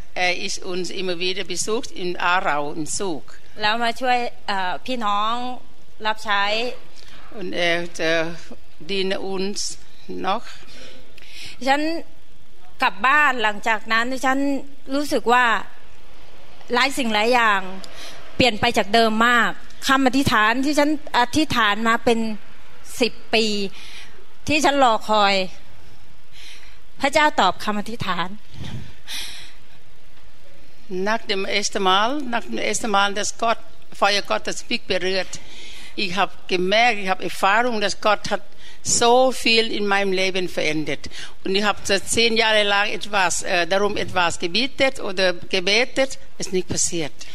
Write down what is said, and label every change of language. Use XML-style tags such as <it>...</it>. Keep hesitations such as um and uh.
<de>er ist uns immer wieder besucht in Arau in Zug</de> <th>แล้วมาช่วยพี่ น้องรับใช้</th> <de>und er</de> <th>จะ</th> <de>dien uns noch</de> <th>ฉันกลับบ้านหลังจากนั้น ฉันรู้สึกว่าหลายสิ่งหลายอย่างเปลี่ยนไปจากเดิมมากคำอธิษฐานที่ฉันอธิษฐานมาเป็นสิบปี ที่ฉันรอคอย พระเจ้าตอบคำอธิษฐาน</th> <de>Nach dem ersten Mal, nach dem ersten Mal, dass Gott, Feuer Gottes mich berührt, ich habe gemerkt, ich habe Erfahrung, dass Gott hat so viel in meinem Leben verändert. Und ich habe zehn Jahre lang etwas, äh, darum etwas gebetet oder gebetet, ist nicht passiert.</de>